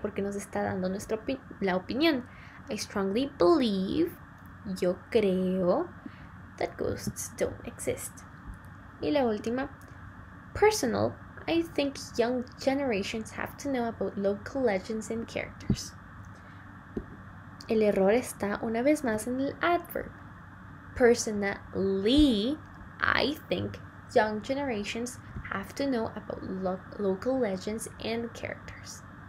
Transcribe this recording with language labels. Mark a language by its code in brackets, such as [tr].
[es] Porque nos está dando nuestra la opinión. [en] I strongly believe, [es] yo creo, [en] that ghosts don't exist. [es] Y la última, [en] personal, I think young generations have to know about local legends and characters. [es] El error está una vez más en el adverb. [en] Personally, I think young generations have to know about local legends and characters.